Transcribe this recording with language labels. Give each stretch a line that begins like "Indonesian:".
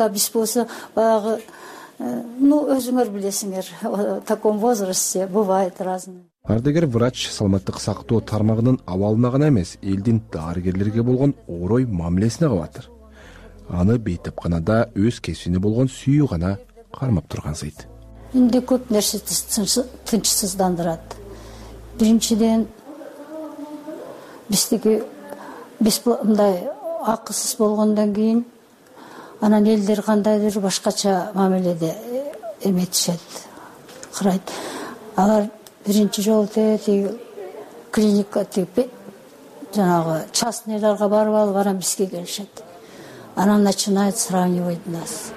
Kyrgyz: А биз болсо баягы өзүңөр билесиңер,
Russian: в таком возрасте бывает разное.
Kyrgyz: Ардыгер врач саламаттык сактоо тармагынын абалына гана эмес, элдин дарыгерлерге болгон орой мамилесине кабатыр. Аны бейтапканада өз кесибине болгон сүйүү гана кармап тургансыйт. Инде көп нерсе тынчсыздандырат. Биринчиден биздики мындай акысыз болгондон кийин анан элдер кандайдыр башкача мамиледе эметишет, карайт. Алар биринчи жолу тиги клиника тиги жанагы частныйларга барып алып анан бизге келишет. Анан
Russian: начинают сравнивать нас.